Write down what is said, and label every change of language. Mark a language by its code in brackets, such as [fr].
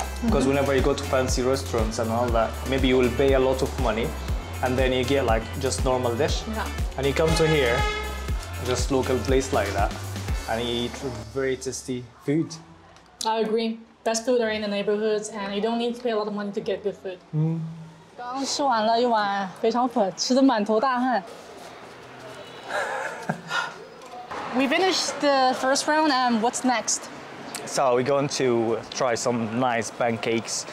[en] Because whenever you go to fancy restaurants and all that, maybe you will pay a lot of money and then you get like just normal dish. Yeah. And you come to here, just local place like that, and you eat very tasty food. I agree. Best food are in the neighborhoods and you don't need to pay a lot of money to get good food. [zh] 刚吃完了一碗肥肠粉，吃得满头大汗。 [en] We finished the first round and what's next? So we're going to try some nice pancakes.